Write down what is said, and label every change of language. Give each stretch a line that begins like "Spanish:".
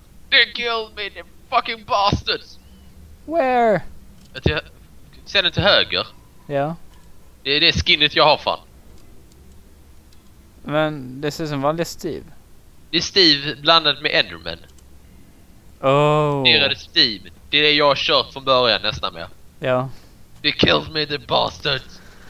English: They killed me, the fucking bastards! Where?
Swedish: Ser den till höger? Ja. Det är det skinnet jag har fan. Men det ser ut som vanligt Steve. Det är Steve blandat med Enderman. Oh. Det är det Steve. Det är det jag har kört från början nästan med. Ja.
English: They killed me, the bastards.